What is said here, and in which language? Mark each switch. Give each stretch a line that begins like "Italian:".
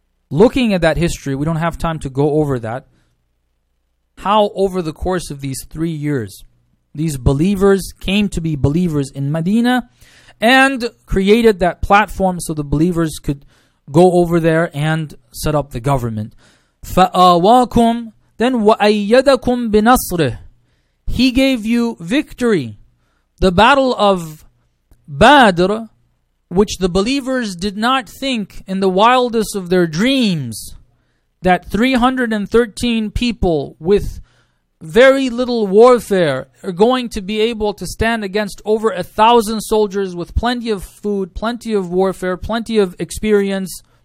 English: Looking at that history, we don't have time to go over that. How over the course of these 3 years, these believers came to be believers in Medina and created that platform so the believers could go over there and set up the government.
Arabic: فَآوَاكُمْ then وَأَيَّدَكُمْ بِنَصْرِهِ.
English: He gave you victory. The battle of Badr, which the believers did not think in the wildest of their dreams, that 313 people with very little warfare are going to be able to stand against over 1,000 soldiers with plenty of food, plenty of warfare, plenty of experience.